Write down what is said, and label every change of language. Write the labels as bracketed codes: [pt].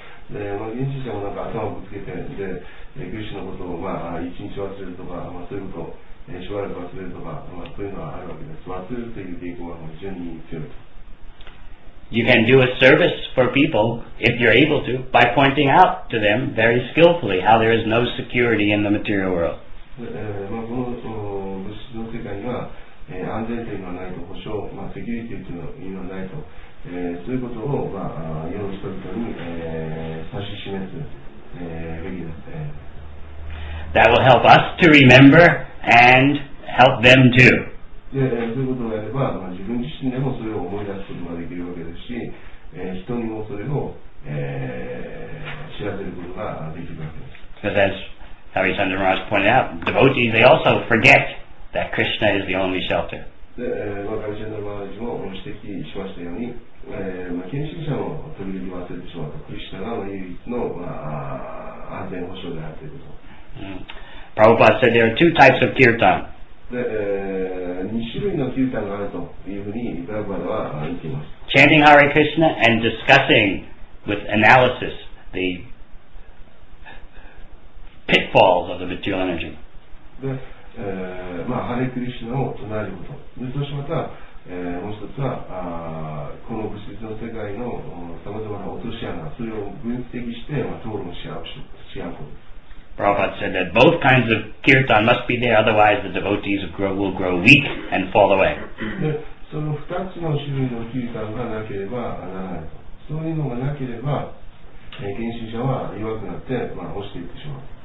[ja] でまあ、現地者もなんか頭をぶつけて、で、クリシュのことを、まあ、一日忘れるとか、まあ、そういうことを、しばらく忘れるとか、まあ、そういうのはあるわけです。忘れるという傾向は非常に強いと。 [en] You can do a service for people, if you're able to, by pointing out to them very skillfully how there is no security in the material world. [ja] まあ、この物質の世界には、安全性がないと、保障、まあ、セキュリティというのがないと。そういうことを、まあ、世の人々に、指し示す、べきです、 [en] That will help us to remember and help them too. [ja] で、そういうことをやれば、まあ、自分自身でもそれを思い出すことができるわけですし、人にもそれを、知らせることができるわけです。 [en] As Hari Chandra Maharaj pointed out, devotees, they also forget that Krishna is the only shelter. [ja] で、まあ、ガリシェンダル・マハラジも指摘しましたように、まあ、研修者も時々忘れてしまうと、クリシュナが唯一の、まあ、安全保障であるということ。 [en] プラブパッド said there are two types of kirtan。 [ja] で、2種類のキルタンがあるというふうにプラブパッドは言っています。 [en] Chanting Hare Krishna and discussing with analysis the pitfalls of the material energy。 [ja] まあ、ハレクリシュナを唱えること。で、そしてまた、もう一つは、この物質の世界の様々な落とし穴、それを分析して、まあ、討論し合うことです。 [en] Prabhupada said that both kinds of kirtan must be there, otherwise the devotees will grow weak and fall away. [ja] で、その二つの種類のキルタンがなければならないと。そういうのがなければ、研修者は弱くなって、まあ、落ちていってしまう。